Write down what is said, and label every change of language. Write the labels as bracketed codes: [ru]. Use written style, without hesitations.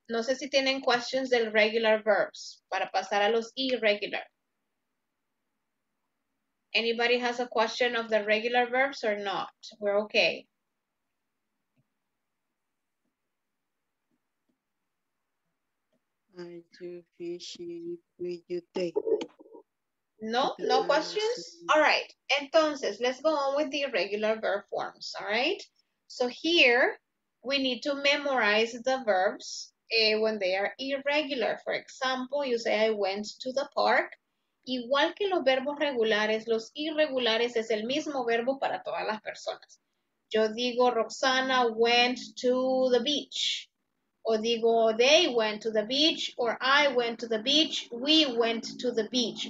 [es] No sé si tienen questions del regular verbs para pasar a los irregular. [en] Anybody has a question of the regular verbs or not? We're okay. I do fishing with you today. No, no questions? All right. [es] Entonces, [en] let's go on with the irregular verb forms. All right. So here, we need to memorize the verbs when they are irregular. For example, you say, I went to the park. [es] Igual que los verbos regulares, los irregulares es el mismo verbo para todas las personas. Yo digo, Roxana [en] went to the beach. [es] O digo, [en] they went to the beach, or I went to the beach, we went to the beach.